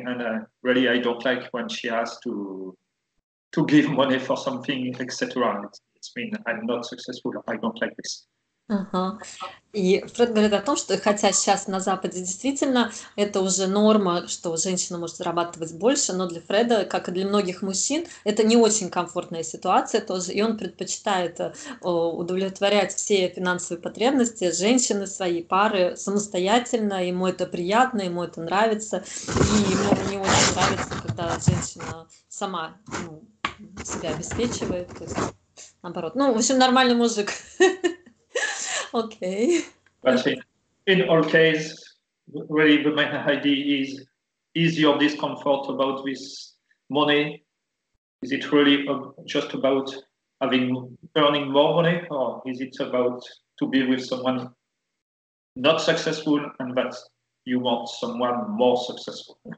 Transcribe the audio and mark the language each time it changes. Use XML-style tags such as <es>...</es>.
<en>And really, I don't like when she has to give money for something, etc. It's been, I'm not successful. I don't like this.</en> <ru>И Фред говорит о том, что хотя сейчас на Западе действительно это уже норма, что женщина может зарабатывать больше, но для Фреда, как и для многих мужчин, это не очень комфортная ситуация тоже, и он предпочитает удовлетворять все финансовые потребности женщины, своей пары самостоятельно, ему это приятно, ему это нравится, и ему не очень нравится, когда женщина сама себя обеспечивает, то есть наоборот. Ну, в общем, нормальный мужик.</ru> <en>Okay. But in all case, really the main idea is your discomfort about this money? Is it really just about earning more money, or is it about to be with someone not successful and that you want someone more successful?</en>